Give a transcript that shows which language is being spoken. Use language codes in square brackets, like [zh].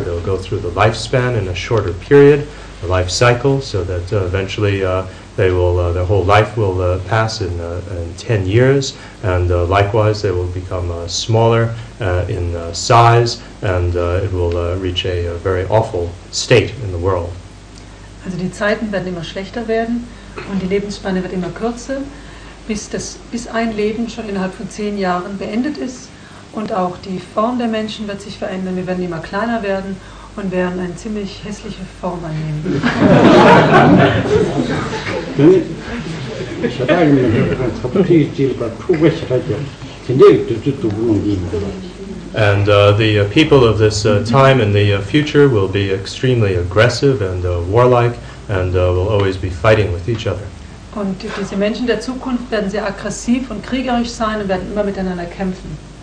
[en] They'll go through the lifespan in a shorter period, a life cycle, so that eventually they will their whole life will pass in 10 years. And likewise, they will become smaller in size, and it will reach a very awful state in the world. [de] Also die Zeiten werden immer schlechter werden. Und die Lebensspanne wird immer kürzer, bis ein Leben schon innerhalb von 10 Jahren beendet ist. Und auch die Form der Menschen wird sich verändern. Wir werden immer kleiner werden und werden eine ziemlich hässliche Form annehmen. [en] And the people of this time in the future will be extremely aggressive and warlike and will always be fighting with each other. [de] Und diese Menschen der Zukunft werden sehr aggressiv und kriegerisch sein und werden immer miteinander kämpfen.